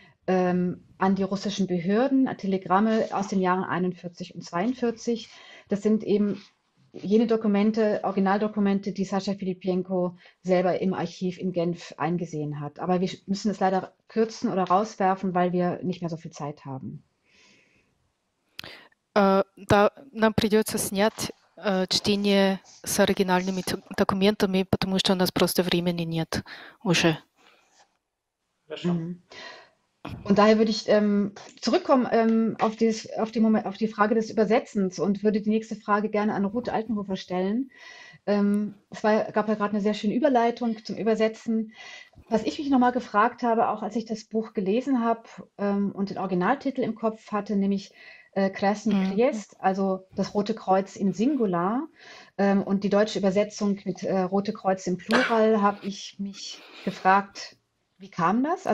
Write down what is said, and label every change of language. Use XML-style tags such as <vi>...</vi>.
<de>an die russischen Behörden, Telegramme aus den Jahren 41 und 42. Das sind eben jene Dokumente, Originaldokumente, die Sascha Filipenko selber im Archiv in Genf eingesehen hat. Aber wir müssen es leider kürzen oder rauswerfen, weil wir nicht mehr so viel Zeit haben.</de> <ru>Да, нам придется снять чтение с оригинальными документами, потому что у нас просто времени нет уже. Хорошо.</ru> <de>Und daher würde ich zurückkommen auf dieses, auf die Moment, auf die Frage des Übersetzens und würde die nächste Frage gerne an Ruth Altenhofer stellen. Es gab ja gerade eine sehr schöne Überleitung zum Übersetzen. Was ich mich nochmal gefragt habe, auch als ich das Buch gelesen habe und den Originaltitel im Kopf hatte, nämlich Krasny Kriest, also das Rote Kreuz im Singular und die deutsche Übersetzung mit Rote Kreuz im Plural, habe ich mich gefragt, wie kam das?</de>